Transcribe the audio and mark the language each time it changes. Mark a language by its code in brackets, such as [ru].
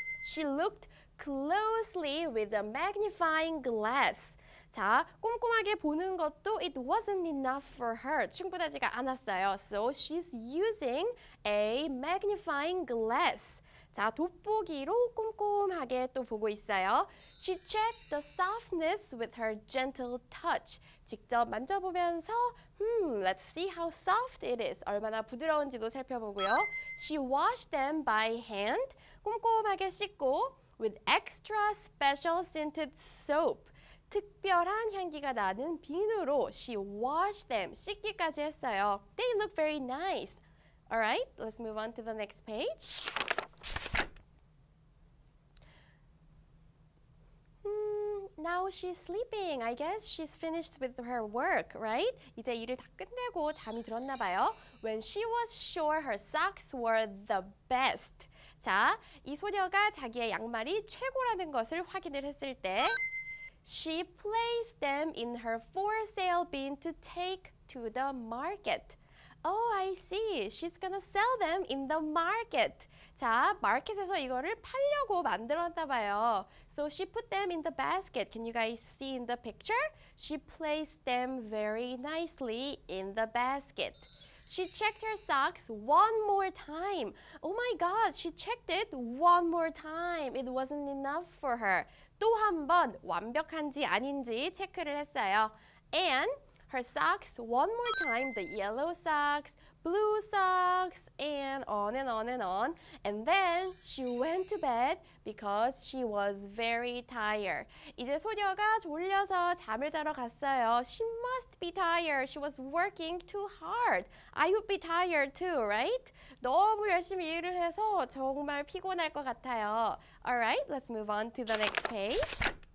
[en] She looked closely with a magnifying glass. [ko] 자, 꼼꼼하게 보는 것도 [en] it wasn't enough for her. [ko] 충분하지가 않았어요. [en] So she's using a magnifying glass. [ko] 자, 돋보기로 꼼꼼하게 또 보고 있어요. [en] She checked the softness with her gentle touch. [ko] 직접 만져보면서 [en] let's see how soft it is. [ko] 얼마나 부드러운지도 살펴보고요. [en] She washed them by hand. [ko] 꼼꼼하게 씻고 [en] with extra special scented soap. [ko] 특별한 향기가 나는 비누로 [en] she washed them. [ko] 씻기까지 했어요. [en] They look very nice. Alright, let's move on to the next page. Now she's sleeping. I guess she's finished with her work, right? [ko] 이제 일을 다 끝내고 잠이 들었나 봐요. [en] When she was sure her socks were the best. [ko] 자, 이 소녀가 자기의 양말이 최고라는 것을 확인을 했을 때 [en] she placed them in her for sale bin to take to the market. Oh, I see. She's gonna sell them in the market. [ko] 자, 마켓에서 이거를 팔려고 만들었나 봐요. [en] So she put them in the basket. Can you guys see in the picture? She placed them very nicely in the basket. She checked her socks one more time. Oh my God, she checked it one more time. It wasn't enough for her. [ko] 또 한 번 완벽한지 아닌지 체크를 했어요. [en] And her socks one more time, the yellow socks, blue socks, and on and on and on. And then she went to bed because she was very tired. [ko] 이제 소녀가 졸려서 잠을 자러 갔어요. [en] She must be tired. She was working too hard. I would be tired too, right? [ko] 너무 열심히 일을 해서 정말 피곤할 것 같아요. [en] Alright, let's move on to the next page.